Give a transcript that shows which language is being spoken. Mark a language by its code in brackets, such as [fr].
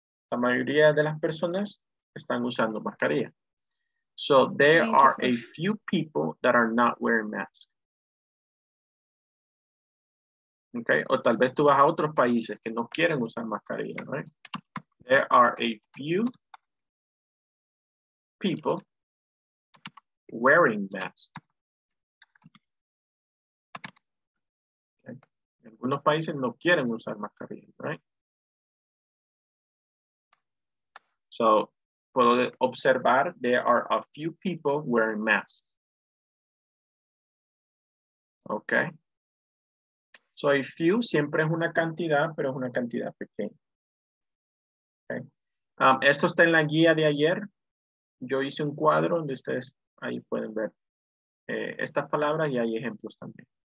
[es] La mayoría de las personas están usando mascarilla. [en] So there are a few people that are not wearing masks. [es] Okay, o tal vez tú vas a otros países que no quieren usar mascarilla, [en] right? There are a few people wearing masks. [es] Okay. Algunos países no quieren usar mascarilla, [en] right? [es] So, puedo observar, [en] there are a few people wearing masks. Okay. So a few [es] siempre es una cantidad, pero es una cantidad pequeña. Okay. Esto está en la guía de ayer. Yo hice un cuadro donde ustedes ahí pueden ver estas palabras y hay ejemplos también.